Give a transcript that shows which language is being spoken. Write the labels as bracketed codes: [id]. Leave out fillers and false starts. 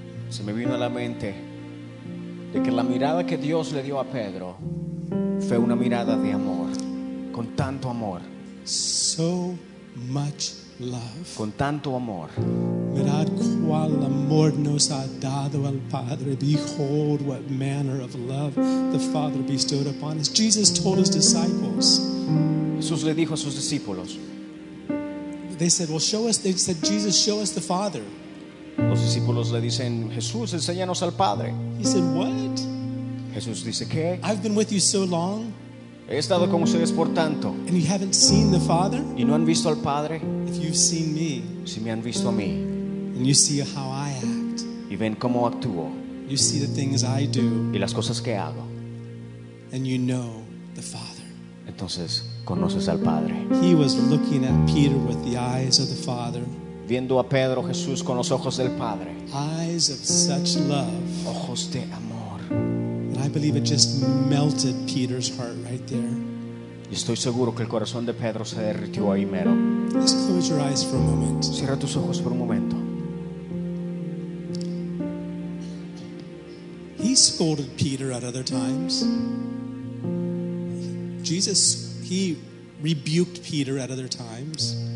[es] Se me vino a la mente de que la mirada que Dios le dio a Pedro fue una mirada de amor, con tanto amor. [en] So much love. [es] Con tanto amor. Mirad cual amor nos ha dado el Padre. [en] Behold what manner of love the Father bestowed upon us. Jesus told his disciples. [es] Jesús le dijo a sus discípulos. [en] They said, "Well, show us." They said, "Jesus, show us the Father." [es] Los discípulos le dicen, "Jesús, enséñanos al Padre." [en] He said, "What?" [es] Jesús dice, ¿qué? [en] I've been with you so long. [es] He estado con ustedes por tanto. [en] And you haven't seen the Father? [es] Y no han visto al Padre. [en] If you've seen me. [es] Si me han visto a mí. [en] And you see how I act. [es] Y ven cómo actúo. [en] You see the things I do. [es] Y las cosas que hago. [en] And you know the Father. [es] Entonces, conoces al Padre. [en] He was looking at Peter with the eyes of the Father. [es] Viendo a Pedro Jesús con los ojos del Padre. [en] Eyes of such love. [es] Ojos de amor. [en] I believe it just melted Peter's heart right there. [es] Estoy seguro que el corazón de Pedro se derritió ahí mero. [en] Just close your eyes for a moment. [es] Cierra tus ojos por un momento. [en] He scolded Peter at other times. Jesus, he rebuked Peter at other times.